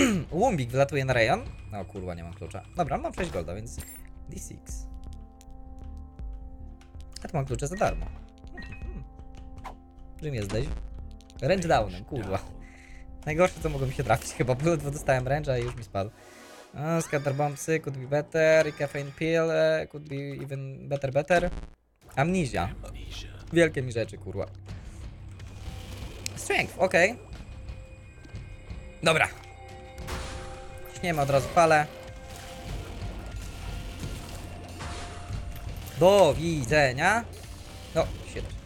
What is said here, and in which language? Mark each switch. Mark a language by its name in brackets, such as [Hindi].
[Polish] Łumbik wylatuje na rejon. No kurwa, nie mam klucza. Dobra, mam 6 golda, więc D6. A tu mam klucze za darmo. Czym jesteś? Range downem, kurwa. Najgorsze, co mogło mi się trafić, chyba było, bo dostałem range'a i już mi spadł. [English] Scatter bombsy could be better, caffeine pill could be even better. [Polish] Amnesia. Wielkie mi rzeczy, kurwa. Strength, okej. Dobra. Nie ma, od razu palę. Do widzenia. No, shit.